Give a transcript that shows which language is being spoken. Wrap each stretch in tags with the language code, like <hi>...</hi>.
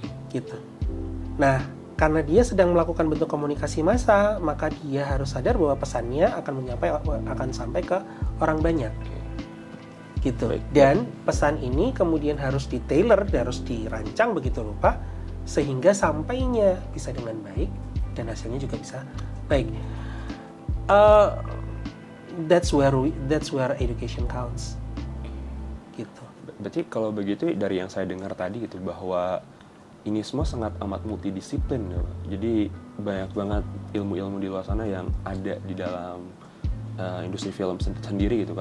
<id>Gitu. Nah, karena dia sedang melakukan bentuk komunikasi massa, maka dia harus sadar bahwa pesannya akan sampai ke orang banyak. Gitu. Baik. Dan pesan ini kemudian harus di-tailor, harus dirancang begitu rupa sehingga sampainya bisa dengan baik dan hasilnya juga bisa baik.</id> <en>That's where education counts.</en> <id>Gitu. Berarti kalau begitu dari yang saya dengar tadi gitu, bahwa ini semua sangat amat multidisiplin, ya. Jadi banyak banget ilmu-ilmu di luar sana yang ada di dalam industri film sendiri gitu.</id>